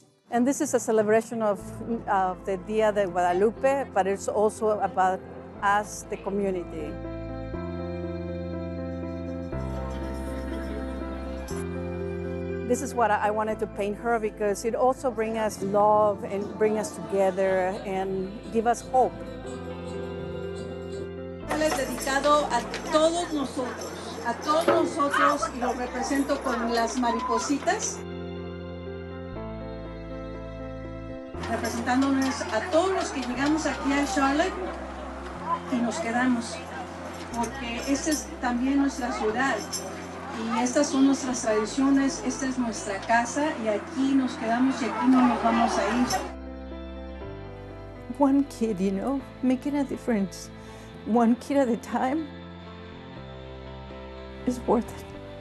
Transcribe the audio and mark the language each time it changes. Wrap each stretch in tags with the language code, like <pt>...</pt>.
<en>And this is a celebration of the Dia de Guadalupe, but it's also about us, the community. This is what I wanted to paint her, because it also brings us love and bring us together and give us hope.</en> <es>Dedicado a todos nosotros, y lo represento con las maripositas. Representándonos a todos los que llegamos aquí a Charlotte y nos quedamos, porque esta es también nuestra ciudad y estas son nuestras tradiciones, esta es nuestra casa y aquí nos quedamos y aquí no nos vamos a ir.</es> <en>One kid, you know, making a difference. One kid at a time is worth it.</en>